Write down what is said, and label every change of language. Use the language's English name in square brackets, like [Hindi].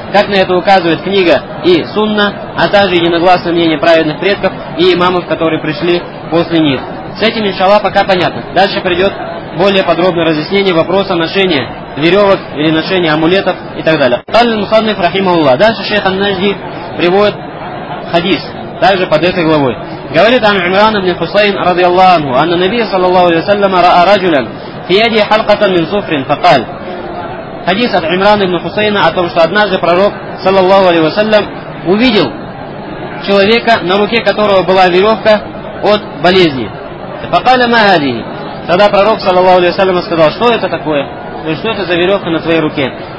[Russian] Как на это указывает книга и сунна, а также единогласное мнение праведных предков и имамов, которые пришли после них. С этим, иншаллах, пока понятно. Дальше придет более подробное разъяснение вопроса ношения веревок или ношения амулетов и так далее. [Arabic] Каль мусаннаф рахимахуллах. [Russian] Дальше шейх ан-Наджди приводит хадис, также под этой главой. Говорит [Arabic] عن عمران بن حسين رضي الله عنه أن النبي صلى الله عليه وسلم رأى رجلا في يده حلقة من صفر فقال. [Russian] Хадис от Имрана ибн Хусейна о том, что однажды пророк саллаллаху алейхи ва саллям увидел человека, на руке которого была веревка от болезни. [Arabic] فقال ما هذه. [Russian] Тогда пророк саллаллаху алейхи ва саллям сказал: "Что это такое? То есть, что это за веревка на твоей руке?"